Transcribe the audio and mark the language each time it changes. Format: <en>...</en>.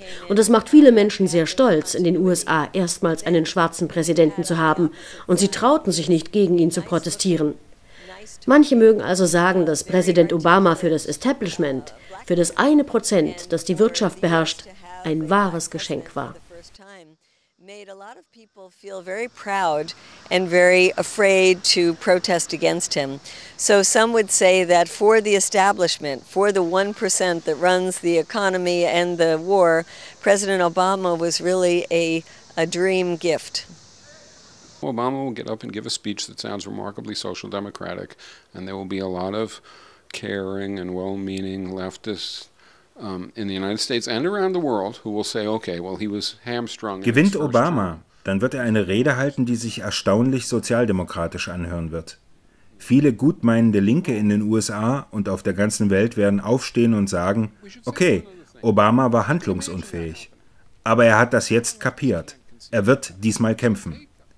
<de>Und das macht viele Menschen sehr stolz, in den USA erstmals einen schwarzen Präsidenten zu haben. Und sie trauten sich nicht, gegen ihn zu protestieren. Manche mögen also sagen, dass Präsident Obama für das Establishment, für das 1%, das die Wirtschaft beherrscht, ein wahres Geschenk war.</de> <en>Made a lot of people feel very proud and very afraid to protest against him. So some would say that for the establishment, for the 1% that runs the economy and the war, President Obama was really a dream gift. Obama will get up and give a speech that sounds remarkably social democratic, and there will be a lot of caring and well-meaning leftists in the United States and around the world, who will say, okay, well, he was hamstrung.</en> <de>Gewinnt Obama, dann wird er eine Rede halten, die sich erstaunlich sozialdemokratisch anhören wird. Viele gutmeinende Linke in den USA und auf der ganzen Welt werden aufstehen und sagen, okay, Obama war handlungsunfähig. Aber er hat das jetzt kapiert. Er wird diesmal kämpfen.</de>